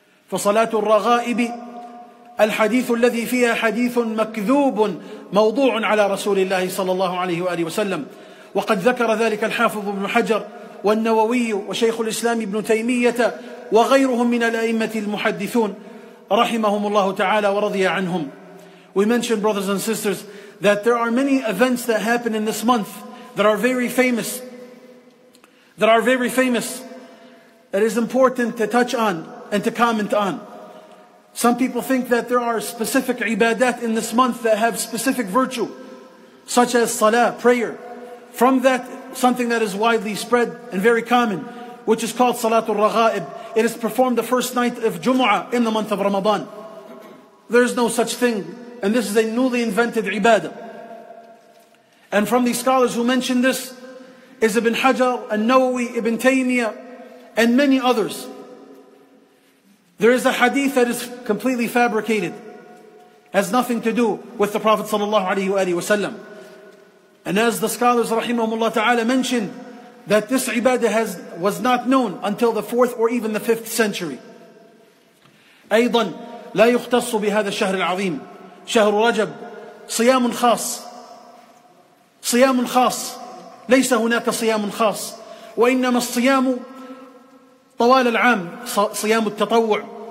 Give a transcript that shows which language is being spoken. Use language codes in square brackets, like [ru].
[ar] فصلاة الرغائب الحديث الذي فيها حديث مكذوب موضوع على رسول الله صلى الله عليه وآله وسلم، وقد ذكر ذلك الحافظ ابن حجر والنووي وشيخ الإسلام ابن تيمية وغيرهم من الأئمة المحدثون رحمهم الله تعالى ورضي عنهم. [en] We mentioned, brothers and sisters, that there are many events that happen in this month that are very famous. That are very famous. It is important to touch on and to comment on. Some people think that there are specific ibadat in this month that have specific virtue, such as salah, prayer. From that, something that is widely spread and very common, which is called Salatul Raghaib. It is performed the first night of Jumu'ah in the month of Ramadan. There is no such thing, and this is a newly invented ibadah. And from the scholars who mentioned this, is Ibn Hajar, An-Nawawi, Ibn Taymiyyah, and many others. There is a hadith that is completely fabricated, has nothing to do with the Prophet ﷺ. And as the scholars [ar] rahimahumullah ta'ala [en] mentioned, that this ibadah was not known until the 4th or even the 5th century. [ar] أيضا لا يختص بهذا الشهر العظيم شهر رجب صيام خاص صيام خاص ليس هناك صيام خاص وإنما الصيام طوال العام صيام التطوع.